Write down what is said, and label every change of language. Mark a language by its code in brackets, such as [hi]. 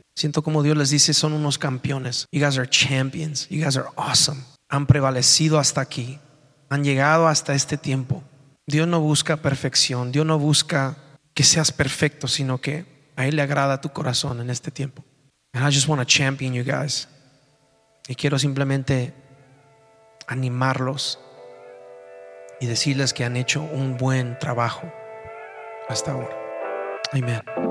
[es] Siento cómo Dios les dice, son unos campeones. [en] You guys are champions. You guys are awesome. [es] Han prevalecido hasta aquí. Han llegado hasta este tiempo. Dios no busca perfección. Dios no busca que seas perfecto, sino que a Él le agrada tu corazón en este tiempo. [en] And I just want to champion you guys. [es] Y quiero simplemente animarlos y decirles que han hecho un buen trabajo hasta ahora. Amén.